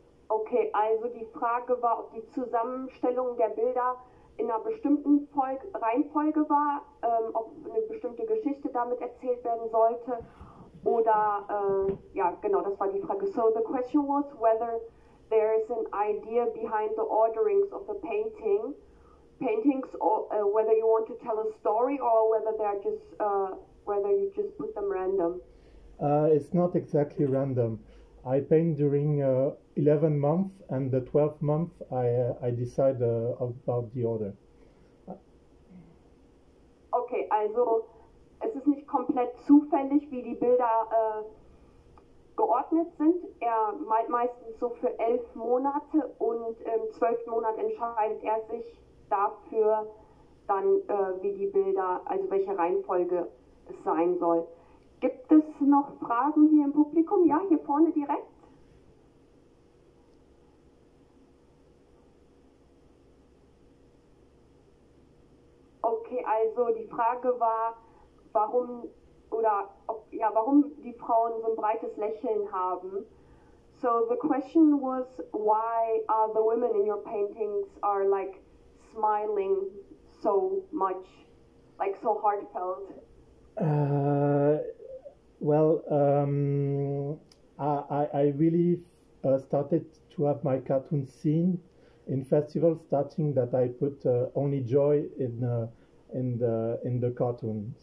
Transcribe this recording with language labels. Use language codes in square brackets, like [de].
[de] Okay, also die Frage war, ob die Zusammenstellung der Bilder in einer bestimmten Reihenfolge war, ob eine bestimmte Geschichte damit erzählt werden sollte, oder, ja, genau, das war die Frage. [en] So the question was whether there is an idea behind the orderings of the paintings, or whether you want to tell a story, or whether they're just, whether you just put them random. It's not exactly random. I paint during 11 months, and the 12th month I decide about the order. [de] Okay, also es ist nicht komplett zufällig, wie die Bilder geordnet sind. Er malt meistens so für 11 Monate und im 12. Monat entscheidet er sich dafür, dann wie die Bilder, also welche Reihenfolge es sein soll. Gibt es noch Fragen hier im Publikum? Ja, hier vorne direkt. Okay, also die Frage war, warum die Frauen so ein breites Lächeln haben. [en] So the question was, why are the women in your paintings are like smiling so much, like so heartfelt? I really started to have my cartoon scene in festivals, starting that I put only joy in the cartoon.